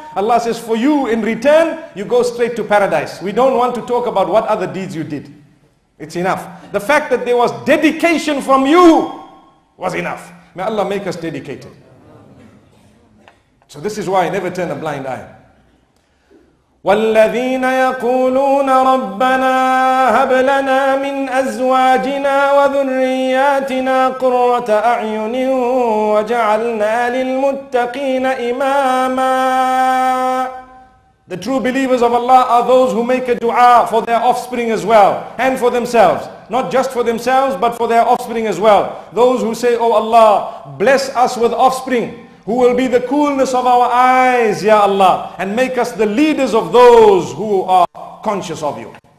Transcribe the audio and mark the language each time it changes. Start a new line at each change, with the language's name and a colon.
English: Allah says, for you in return, you go straight to paradise. We don't want to talk about what other deeds you did. It's enough. The fact that there was dedication from you was enough. May Allah make us dedicated. So this is why I never turn a blind eye.
Arabic: والذين يقولون ربنا هب لنا من أزواجنا وذرياتنا قرة أعين وجعلنا للمتقين إماما.
English: The true believers of Allah are those who make a dua for their offspring as well, and for themselves. Not just for themselves, but for their offspring as well. Those who say, Oh Allah, bless us with offspring, who will be the coolness of our eyes, Ya Allah, and make us the leaders of those who are conscious of you.